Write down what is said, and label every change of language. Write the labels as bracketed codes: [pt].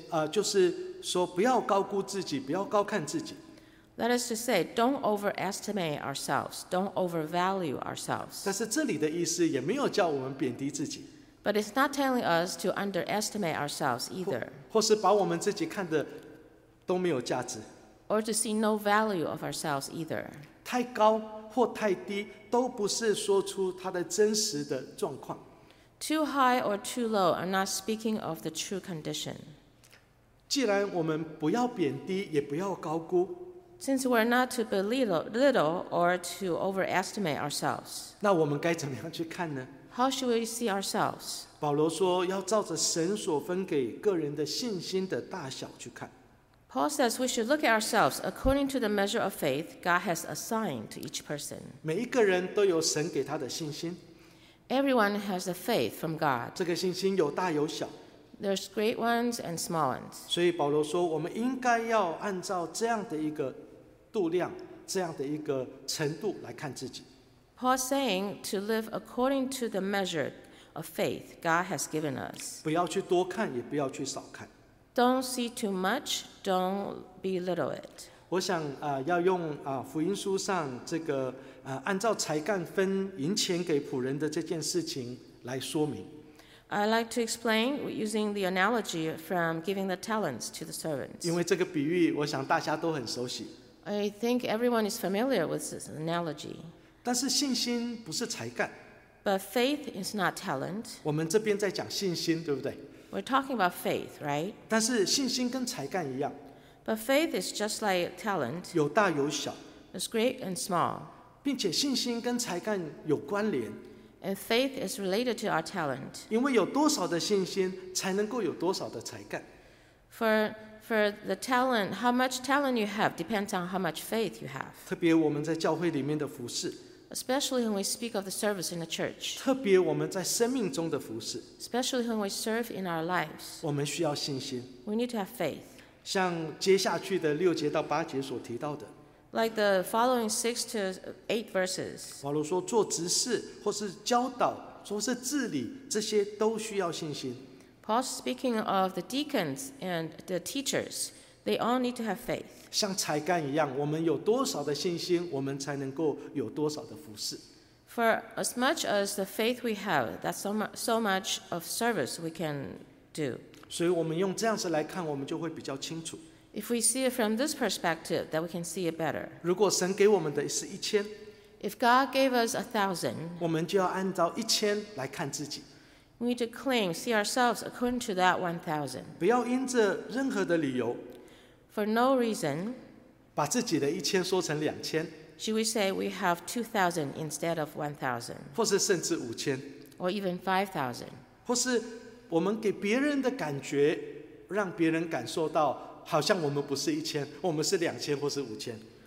[zh] 就是说不要高估自己，不要高看自己。 [en] That is to say, don't overestimate ourselves, don't overvalue ourselves. [zh] 但是这里的意思也没有叫我们贬低自己。 [en] But it's not telling us to underestimate ourselves either. [zh] 或是把我们自己看得都没有价值。 [en] Or to see no value of ourselves either. [zh] 太高或太低都不是说出他的真实的状况。 [en] Too high or too low are not speaking of the true condition. [zh] 既然我们不要贬低，也不要高估。 [en] Since we're not to belittle or to overestimate ourselves. [zh] 那我们该怎么样去看呢？ [en] How should we see ourselves? [zh] 保罗说要照着神所分给个人的信心的大小去看。 [en] Paul says we should look at ourselves according to the measure of faith God has assigned to each person. [zh] 每一个人都有神给他的信心。 [en] Everyone has a faith from God. [zh] 这个信心有大有小。 [en] There's great ones and small ones. [zh] 所以保罗说我们应该要按照这样的一个度量，这样的一个程度来看自己。 [en] Paul's saying to live according to the measure of faith God has given us. [zh] 不要去多看，也不要去少看。 [en] Don't see too much, don't belittle it. [zh] 我想要用福音书上这个按照才干分银钱给仆人的这件事情来说明。 [en] I like to explain using the analogy from giving the talents to the servants. [zh] 因为这个比喻，我想大家都很熟悉。 [en] I think everyone is familiar with this analogy. [zh] 但是信心不是才干。 [en] But faith is not talent. [zh] 我们这边在讲信心，对不对？ [en] We're talking about faith, right? [zh] 但是信心跟才干一样。 [en] But faith is just like talent. [zh] 有大有小。 [en] It's great and small. [zh] 并且信心跟才干有关联。 [en] And faith is related to our talent. [zh] 因为有多少的信心，才能够有多少的才干。 [en] For the talent, how much talent you have depends on how much faith you have. [zh] 特别我们在教会里面的服事。 [en] Especially when we speak of the service in the church. [zh] 特别我们在生命中的服事。 [en] Especially when we serve in our lives. [zh] 我们需要信心。 [en] We need to have faith. [zh] 像接下去的六节到八节所提到的。 [en] Like the following 6 to 8 verses. [zh] 保罗说做执事或是教导或是治理这些都需要信心。 [en] Paul speaking of the deacons and the teachers, they all need to have faith. [zh] 像才干一样，我们有多少的信心，我们才能够有多少的服事。 [en] For as much as the faith we have, that's so much of service we can do. [zh] 所以我们用这样子来看，我们就会比较清楚。 [en] If we see it from this perspective, that we can see it better. [zh] 如果神给我们的是一千， [en] If God gave us 1,000, [zh] 我们就要按照一千来看自己。 [en] We need to cling, see ourselves according to that 1,000. [zh] 不要因着任何的理由， [en] For no reason, [zh] 把自己的一千缩成两千， [en] Should we say we have 2,000 instead of 1,000? [zh] 或是甚至五千， [en] Or even 5,000? [zh] 或是我们给别人的感觉，让别人感受到好像我们不是一千，我们是两千或是五千。